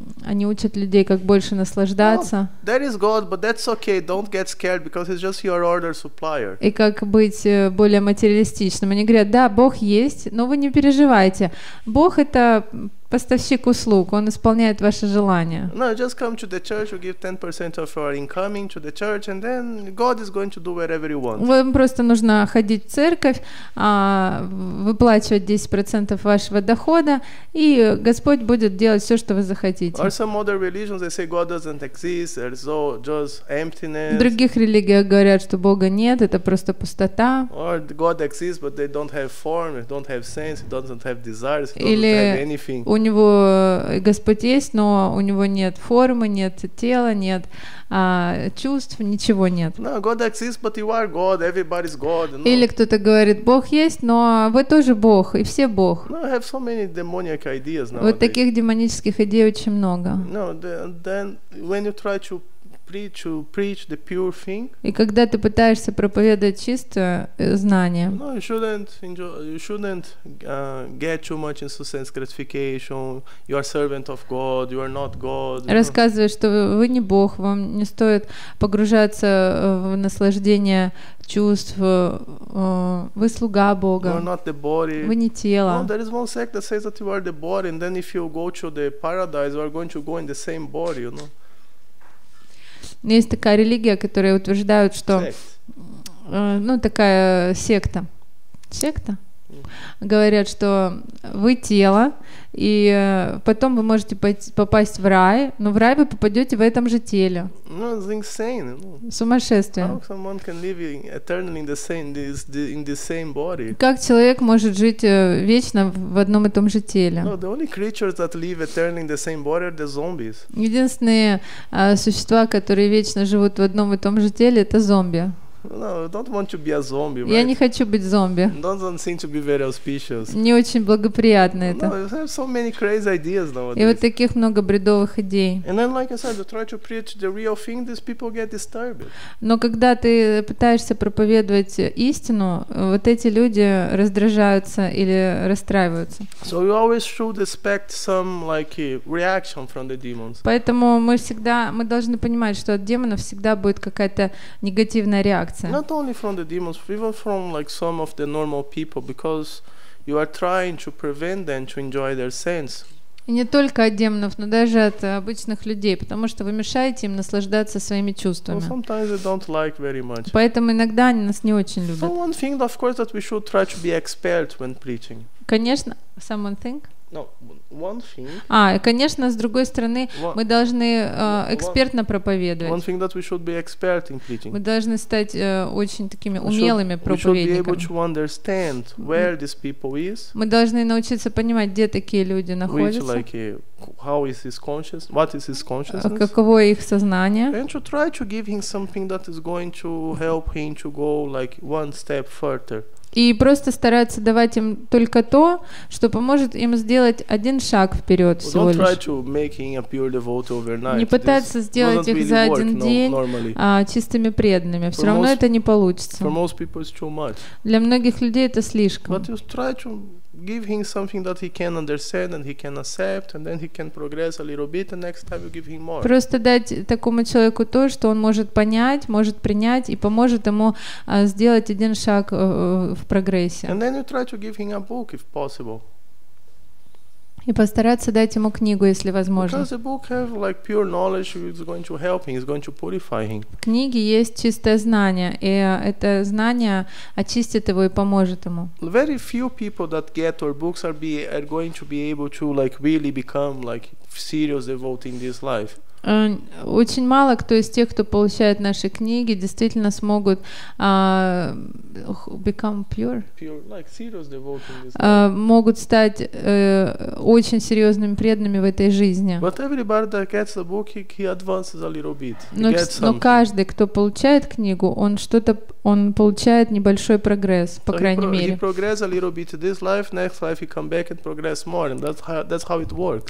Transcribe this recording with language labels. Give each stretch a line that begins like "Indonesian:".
Russian: Они учат людей, как больше наслаждаться.
English: No, there is God, but that's okay. Don't get scared, because it's just your order supplier.
Russian: И как быть более материалистичным. Они говорят, да, Бог есть, но вы не переживайте. Бог — это поставщик услуг, он исполняет ваши желания.
English: No, just come to the church, you give 10% of your income to the church, and then God is going to do whatever you want.
Russian: Вам просто нужно ходить в церковь, выплачивать 10% вашего дохода, и Господь будет делать все, что вы захотите.
English: Or some other religions, they say God doesn't exist, there's just emptiness.
Russian: В других религиях говорят, что Бога нет, это просто пустота.
English: Or God exists, but they don't have form, they don't have sense, they don't have desires, they don't have anything.
Russian: У него Господь есть, но у него нет формы, нет тела, нет чувств, ничего нет.
English: No, God exists, but you are God, everybody's God. No.
Russian: Или кто-то говорит, Бог есть, но вы тоже Бог, и все Бог.
English: No, I have so many demonic ideas nowadays.
Russian: Вот таких демонических идей очень много.
English: No, then when you try to preach the pure thing.
Russian: И когда ты пытаешься проповедовать чистое знание.
English: No, you shouldn't get too much into sense gratification. You are servant of God. You are not God.
Russian: Рассказывай, что вы не Бог. Вам не стоит погружаться в наслаждение чувств. Вы слуга Бога.
English: You are not the body.
Russian: Вы не тело.
English: No, there is one sect that says that you are the body, and then if you go to the paradise, you are going to go in the same body, you know.
Russian: Есть такая религия, которая утверждает, что... такая секта. Секта? Говорят, что вы тело, и потом вы можете попасть в рай, но в рай вы попадете в этом же теле.
English: No, it's insane.
Russian: Сумасшествие.
English: How someone can live eternally in the same body?
Russian: Как человек может жить вечно в одном и том же теле?
English: No, the only creatures that live eternally in the same body are the zombies.
Russian: Единственные существа, которые вечно живут в одном и том же теле, это зомби.
English: No, don't want to be a zombie, right?
Russian: Я не хочу быть зомби.
English: Don't seem to be very auspicious.
Russian: Не очень благоприятно это.
English: No, have so many crazy ideas nowadays.
Russian: И вот таких много бредовых идей.
English: And then, like I said, try to preach the real thing, these people get disturbed.
Russian: Но когда ты пытаешься проповедовать истину, вот эти люди раздражаются или расстраиваются.
English: So you always should expect some like reaction from the demons.
Russian: Поэтому мы должны понимать, что от демонов всегда будет какая-то негативная реакция.
English: Not only from the demons, even from like some of the normal people, because you are trying to prevent them to enjoy their sins.
Russian: И не только от демонов, но даже от обычных людей, потому что вы мешаете им наслаждаться своими чувствами.
English: Well, sometimes they don't like very much.
Russian: Поэтому иногда они нас не очень любят.
English: So one thing, of course, that we should try to be expert when preaching. Конечно, someone think. No, one thing.
Russian: А, и, конечно, с другой стороны, мы должны экспертно проповедовать.
English: One thing that we should be expert in preaching.
Russian: Мы должны стать очень такими умелыми проповедниками.
English: We should be able to understand where these people is.
Russian: Мы должны научиться понимать, где такие люди находятся.
English: Which, like, how is his conscious? What is his consciousness?
Russian: Каково их сознание?
English: And to try to give him something that is going to help him to go like one step further.
Russian: И просто стараться давать им только то, что поможет им сделать один шаг вперед всего лишь. Не пытаться сделать их за один день чистыми преданными. Все равно это не получится. Для многих людей это слишком.
English: Give him something that he can understand and he can accept, and then he can progress a little bit, and next time you give him more.
Russian: Просто дать такому человеку то, что он может понять, может принять, и поможет ему сделать один шаг в прогрессе.
English: And then you try to give him a book if possible.
Russian: И постараться дать ему книгу, если возможно.
English: Because the book has like pure knowledge, it's going to help him, it's going to purify him.
Russian: В книге есть чистое знание, и это знание очистит его и поможет ему.
English: Very few people that get our books are going to be able to like really become like serious devotee in this life.
Russian: Очень мало кто из тех, кто получает наши книги, действительно смогут
English: become pure. Pure, like serious devotee in this life.
Russian: Могут стать очень серьезными преданными в этой жизни.
English: But everybody that gets the book, he advances a little bit.
Russian: Но каждый, кто получает книгу, он получает небольшой прогресс, по крайней мере.
English: He progresses a little bit this life, next life he comes back and progress more, and that's how it works.